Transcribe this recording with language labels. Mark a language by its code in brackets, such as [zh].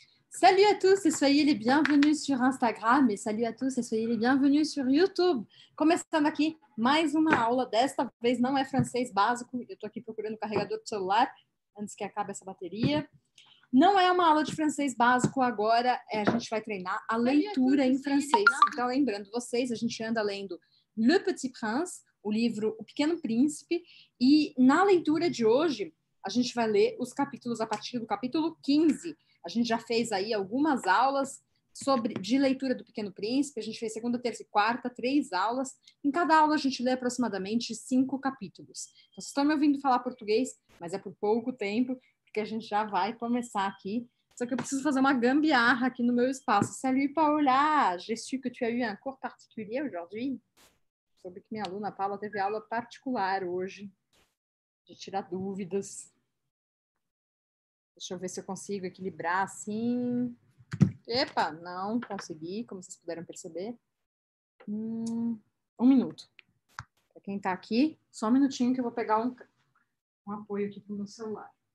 [fr] Salut à tous et soyez les bienvenus sur Instagram et salut à tous et soyez les bienvenus sur YouTube. [pt] Começando aqui mais uma aula, desta vez não é francês básico, eu tô aqui procurando o carregador do celular antes que acabe essa bateria. Não é uma aula de francês básico agora, a gente vai treinar a leitura em francês. Então lembrando vocês, a gente anda lendo Le Petit Prince, o livro O Pequeno Príncipe, e na leitura de hoje a gente vai ler os capítulos a partir do capítulo 15. A gente já fez aí algumas aulas sobre, de leitura do Pequeno Príncipe. A gente fez segunda, terça e quarta, três aulas. Em cada aula, a gente lê aproximadamente cinco capítulos. Vocês estão me ouvindo falar português, mas é por pouco tempo, porque a gente já vai começar aqui. Só que eu preciso fazer uma gambiarra aqui no meu espaço. [fr] Salut, Paola! J'ai su que tu as eu un cours particulier aujourd'hui. [pt] Soube que minha aluna Paula teve aula particular hoje, de tirar dúvidas. Deixa eu ver se eu consigo equilibrar assim. Epa, não consegui, como vocês puderam perceber. Um minuto. Para quem está aqui, só um minutinho que eu vou pegar um apoio aqui para o meu celular.